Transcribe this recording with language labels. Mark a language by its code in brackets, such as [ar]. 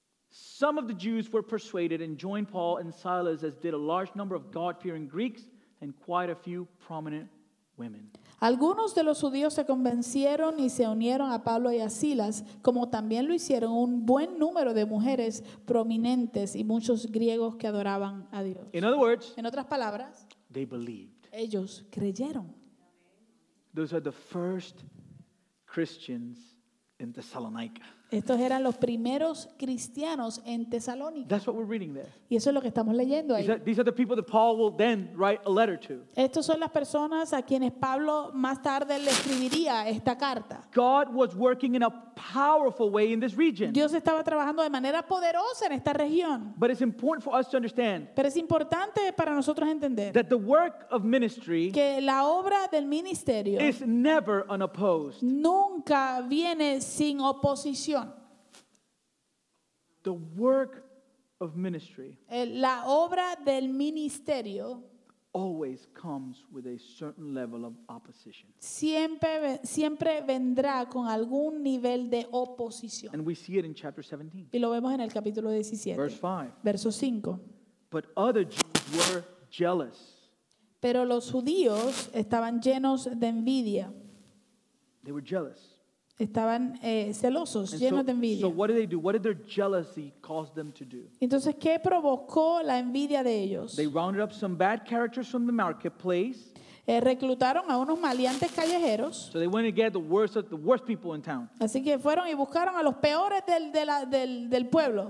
[en] Some of the Jews were persuaded and joined Paul and Silas, as did a large number of God-fearing Greeks and quite a few prominent women. [es] Algunos de los judíos se convencieron y se unieron a Pablo y a Silas, como también lo hicieron un buen número de mujeres prominentes y muchos griegos que adoraban a Dios. [en] In other words, [es] en otras palabras, [en] they believed. [es] Ellos creyeron. [en] Those are the first Christians in Thessalonica. [es] Estos eran los primeros cristianos en Tesalónica. [en] That's what we're reading there. [es] Y eso es lo que estamos leyendo ahí. [en] These are the people that Paul will then write a letter to. [es] Estos son las personas a quienes Pablo más tarde le escribiría esta carta. [en] God was working in a powerful way in this region. [es] Dios estaba trabajando de manera poderosa en esta región. [en] But it's important for us to understand. [es] Pero es importante para nosotros entender. [en] That the work of ministry. [es] Que la obra del ministerio. [en] Is never unopposed. [es] Nunca viene sin oposición. [en] The work of ministry, [es] la obra del ministerio, [en] always comes with a certain level of opposition. [es] Siempre vendrá con algún nivel de oposición. [en] And we see it in chapter 17. [es] Y lo vemos en el capítulo 17. [en] Verse 5. [es] Verso 5. [en] But other Jews were jealous. [es] Pero los judíos estaban llenos de envidia. [en] They were jealous. [es] Estaban celosos, [en] and [es] llenos [en] so, [es] de envidia. [en] So what did they do? What did their jealousy cause them to do? [es] Entonces, ¿qué provocó la envidia de ellos? [en] They rounded up some bad characters from the marketplace. [es] Reclutaron a unos maleantes callejeros. [en] So they went and get the worst people in town. [es] Así que fueron y buscaron a los peores del pueblo.